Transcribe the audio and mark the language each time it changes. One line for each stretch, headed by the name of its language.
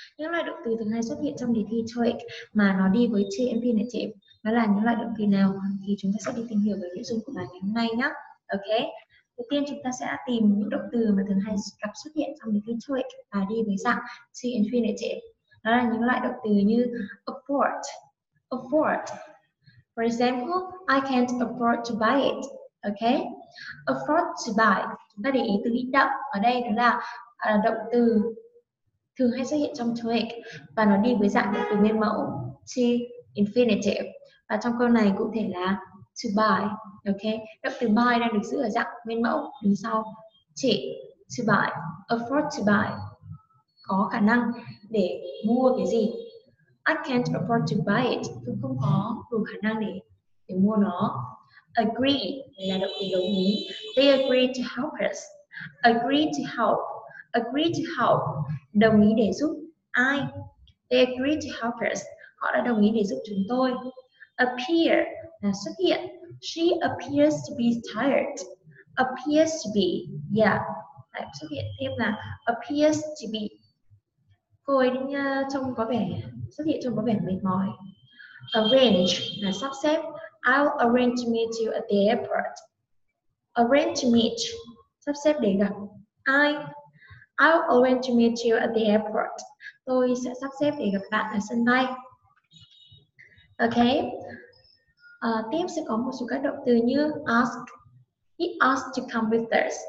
Vietnamese: Những loại động từ thường hay xuất hiện trong đề thi TOEIC mà nó đi với to infinitive, nó là những loại động từ nào thì chúng ta sẽ đi tìm hiểu về nội dung của bài ngày hôm nay nhé. Ok, đầu tiên chúng ta sẽ tìm những động từ mà thường hay gặp xuất hiện trong đề thi TOEIC và đi với dạng to infinitive. Đó là những loại động từ như afford, afford.
English: For example, I can't afford to buy it. Okay? Afford to buy.
Vietnamese: Chúng ta để ý từ ít động ở đây đó là động từ thường hay xuất hiện trong TOEIC và nó đi với dạng động từ nguyên mẫu to infinitive. Và trong câu này cụ thể là to buy. Okay? Động từ buy đang được giữ ở dạng nguyên mẫu đứng sau to buy, afford to buy. Có khả năng để mua cái gì?
English: I can't afford to buy it.
Vietnamese: Tôi không có đủ khả năng để mua nó.
English: Agree
Vietnamese: là động từ đồng ý.
English: They agree to help us. Agree to help. Agree to help.
Vietnamese: Đồng ý để giúp ai?
English: They agree to help us.
Vietnamese: Họ đã đồng ý để giúp chúng tôi.
English: Appear
Vietnamese: là xuất hiện.
English: She appears to be tired. Appears to be. Yeah.
Vietnamese: Lại xuất hiện thêm là appears to be. Cô ấy trông có vẻ xuất hiện trông có vẻ mệt mỏi. Arrange là sắp xếp.
English: I'll arrange to meet you at the airport. Arrange to meet,
Vietnamese: sắp xếp để gặp.
English: I'll arrange to meet you at the airport.
Vietnamese: Tôi sẽ sắp xếp để gặp bạn ở sân bay. Okay. Tiếp sẽ có một số các động từ như ask.
English: He asked to come with us.